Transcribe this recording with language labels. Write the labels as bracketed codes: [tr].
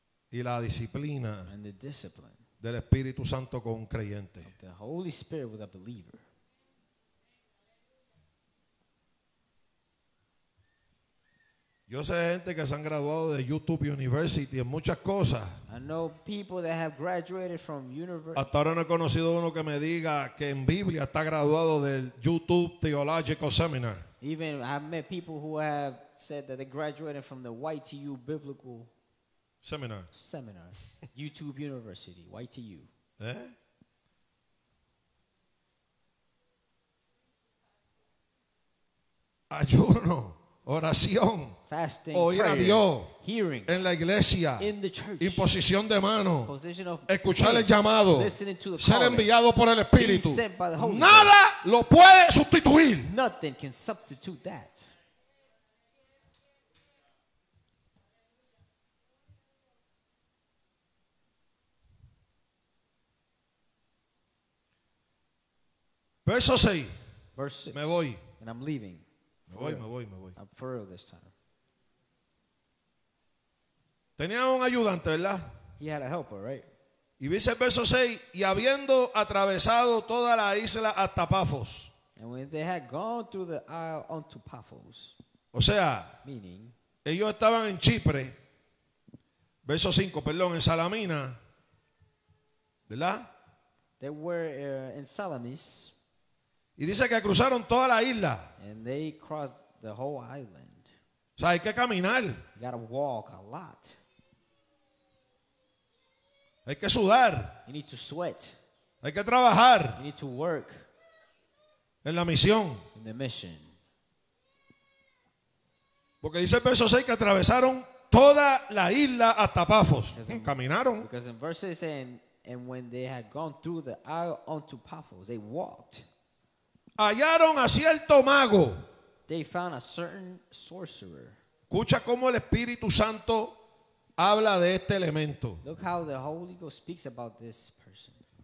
[es] Y la disciplina. [en] And the discipline. [es] Del Espíritu Santo con un creyente. [en] Of the Holy Spirit with a believer. [es] Yo sé gente que se han graduado de YouTube University en muchas cosas. [en] I know people that have graduated from university. [es] Hasta ahora no he conocido uno que me diga que en Biblia está graduado del YouTube Theological Seminar. [en] Even I've met people who have said that they graduated from the YTU Biblical Seminar. Seminar. YouTube University, YTU. ¿Eh? [es] Ayuno. Oración. [en] Fasting, [es] oír [en] prayer, [es] a Dios. [en] Hearing, [es] en la iglesia. [en] In the church, [es] imposición de mano. [en] Position of [es] escuchar [en] faith, [es] el llamado. [en] Listening to the [es] ser [en] call, [es] enviado por el Espíritu. [en] Being sent by the Holy Spirit. [es] Nada lo puede sustituir. [en] Nothing can substitute that. [es] Verso 6. [en] Verse 6. [es] Me voy. [en] And I'm leaving. [es] Me voy. [en] I'm for real this time. [es] Tenía un ayudante, ¿verdad? [en] He had a helper, right? [es] Y dice el verso 6, y habiendo atravesado toda la isla hasta Paphos. [en] And when they had gone through the isle unto Paphos. [es] O sea, [en] meaning, [es] ellos estaban en Chipre, Verso 5, perdón, en Salamina. ¿Verdad? [en] They were in Salamis. [es] Y dice que cruzaron toda la isla. [en] And they crossed the whole island. [es] O sea, hay que caminar. [en] You gotta walk a lot. [es] Hay que sudar. [en] You need to sweat. [es] Hay que trabajar. [en] You need to work. [es] En la misión. [en] In the mission. [es] Porque dice el verso 6 que atravesaron toda la isla hasta Pafos. Caminaron. [en] Because in verse 6 and when they had gone through the isle onto Paphos, they walked. [es] Hallaron a cierto mago. [en] They found a certain sorcerer. [es] Escucha cómo el Espíritu Santo habla de este elemento. [en] Look how the Holy Ghost speaks about this person.